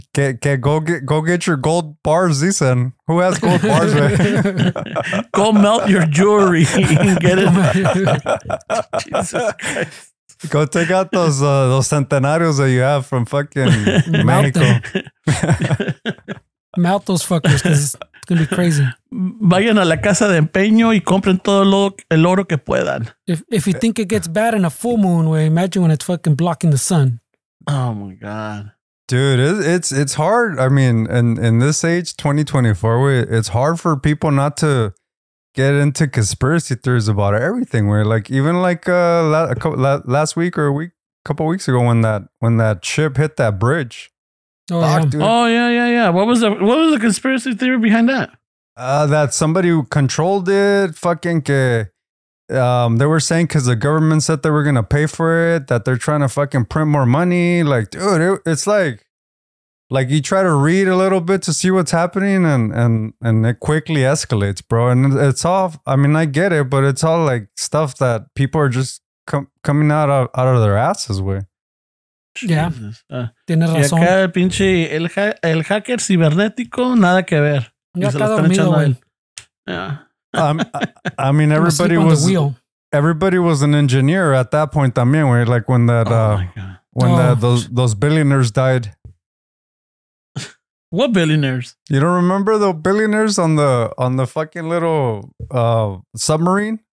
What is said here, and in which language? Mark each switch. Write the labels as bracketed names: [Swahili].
[English] Okay, go get your gold bars, Zisen. Who has gold bars? Go melt your jewelry and get it. Jesus Christ. Go take out those centenarios that you have from fucking Mexico. Mouth those fuckers, because It's going to be crazy. [Spanish] Vayan a la casa de empeño y compren todo lo, el oro que puedan. [English] If you think it gets bad in a full moon, well, imagine when it's fucking blocking the sun. Oh my God. Dude, it's hard. I mean, in this age, 2024, it's hard for people not to get into conspiracy theories about everything. Where like, even like last week or a couple weeks ago when that ship hit that bridge. Oh yeah. What was the conspiracy theory behind that? That somebody who controlled it, fucking que, they were saying because the government said they were gonna pay for it, that they're trying to fucking print more money. Like, dude, it's like you try to read a little bit to see what's happening, and it quickly escalates, bro. And it's all, I mean, I get it, but it's all like stuff that people are just coming out of their asses with. [Spanish] Yeah. Tiene razón. Y acá el pinche el hacker cibernético, nada que ver. [English] I mean, everybody was an engineer at that point [Spanish] también, [English] where like when that those billionaires died. What billionaires? You don't remember the billionaires on the fucking little submarine?